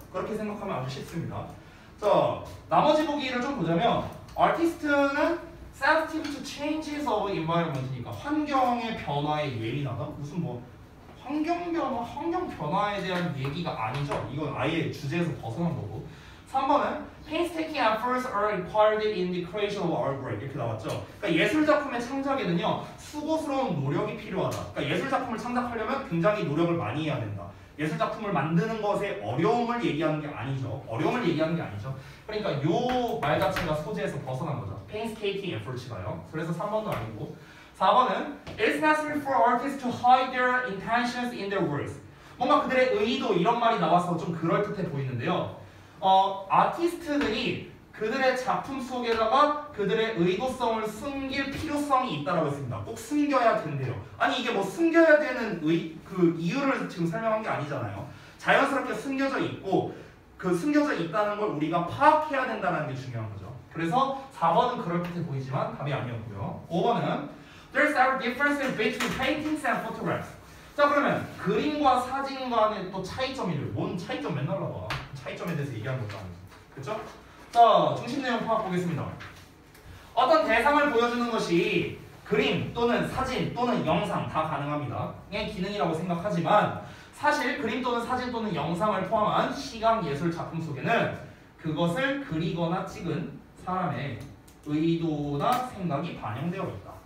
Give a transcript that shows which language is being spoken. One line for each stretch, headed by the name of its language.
Korean: 그렇게 생각하면 아주 쉽습니다. 자, 나머지 보기를 좀 보자면 아티스트는
English: sensitive to changes of environment
Korean: 이니까 환경의 변화에 예민하다? 무슨 뭐 환경 변화, 환경 변화에 대한 얘기가 아니죠. 이건 아예 주제에서 벗어난 거고. 3번은
English: painstaking efforts are required in the creation of artwork.
Korean: 이렇게 나왔죠. 그러니까 예술 작품의 창작에는요 수고스러운 노력이 필요하다. 그러니까 예술 작품을 창작하려면 굉장히 노력을 많이 해야 된다. 예술 작품을 만드는 것에 어려움을 얘기하는 게 아니죠. 그러니까 요 말 자체가 소재에서 벗어난 거죠. painstaking efforts가요. 그래서 3번도 아니고. 4번은
English: It's necessary for artists to hide their intentions in their words.
Korean: 뭔가 그들의 의도 이런 말이 나와서 좀 그럴듯해 보이는데요. 아티스트들이 그들의 작품 속에다가 그들의 의도성을 숨길 필요성이 있다라고 했습니다. 꼭 숨겨야 된대요. 아니 이게 뭐 숨겨야 되는 그 이유를 지금 설명한 게 아니잖아요. 자연스럽게 숨겨져 있고 그 숨겨져 있다는 걸 우리가 파악해야 된다는 게 중요한 거죠. 그래서 4번은 그럴듯해 보이지만 답이 아니었고요. 5번은
English: There's a difference between paintings and photographs.
Korean: 자 그러면 그림과 사진 간의 또 차이점이를 뭔 차이점 맨날 나와. 차이점에 대해서 얘기하는 것도 아니고. 그쵸? 자, 중심 내용 파악 보겠습니다. 어떤 대상을 보여주는 것이 그림 또는 사진 또는 영상 다 가능합니다. 의 기능이라고 생각하지만 사실 그림 또는 사진 또는 영상을 포함한 시각 예술 작품 속에는 그것을 그리거나 찍은 사람의 의도나 생각이 반영되어 있다.